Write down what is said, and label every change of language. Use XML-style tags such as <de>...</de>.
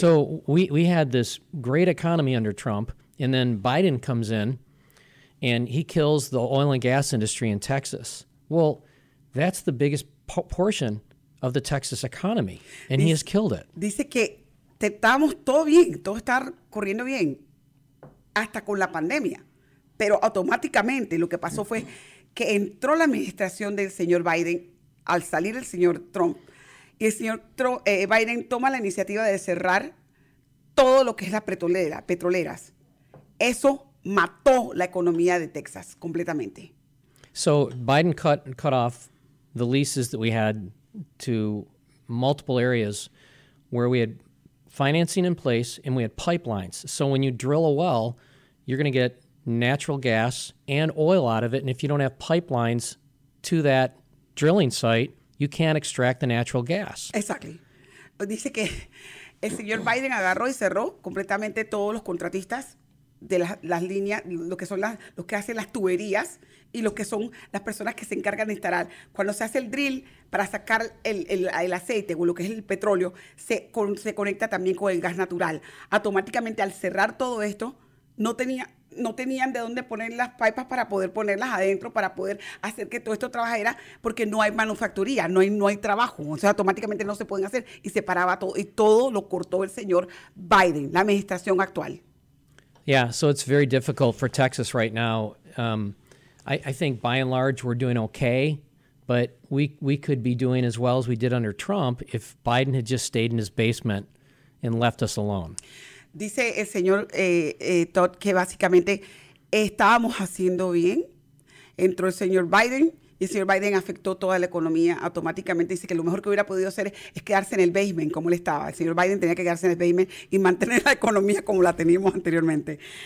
<en>So we had this great economy under Trump, and then Biden comes in, and he kills the oil and gas industry in Texas. Well, that's the biggest portion of the Texas economy, and he has killed it.</en> <es>Dice que estábamos todo bien, todo está corriendo bien, hasta con la pandemia. Pero automáticamente lo que pasó fue que entró la administración del señor Biden, al salir el señor Trump, y el señor Trump, Biden toma la iniciativa de cerrar todo lo que es las petroleras. Eso mató la economía de Texas completamente.</es> <en>So Biden cut off the leases that we had to multiple areas where we had financing in place and we had pipelines. So when you drill a well, you're going to get natural gas and oil out of it. And if you don't have pipelines to that drilling site, you can't extract the natural gas. Exactly.</en> <es>Dice que el señor Biden agarró y cerró completamente todos los contratistas de las líneas, lo que son los que hacen las tuberías y lo que son las personas que se encargan de instalar. Cuando se hace el drill para sacar el aceite o lo que es el petróleo, se conecta también con el gas natural. Automáticamente, al cerrar todo esto, no tenían de dónde poner las pipas para poder ponerlas adentro, para poder hacer que todo esto trabajara, porque no hay manufacturía, no hay trabajo. O sea, automáticamente no se pueden hacer y se paraba todo. Y todo lo cortó el señor Biden, la administración actual.</es> <en>Yeah, so it's very difficult for Texas right now. I think by and large we're doing okay, but we could be doing as well as we did under Trump if Biden had just stayed in his basement and left us alone.</en> <es>Dice el señor Toth que básicamente estábamos haciendo bien. Entró el señor Biden y el señor Biden afectó toda la economía automáticamente. Dice que lo mejor que hubiera podido hacer es quedarse en el basement como él estaba. El señor Biden tenía que quedarse en el basement y mantener la economía como la teníamos anteriormente.</es>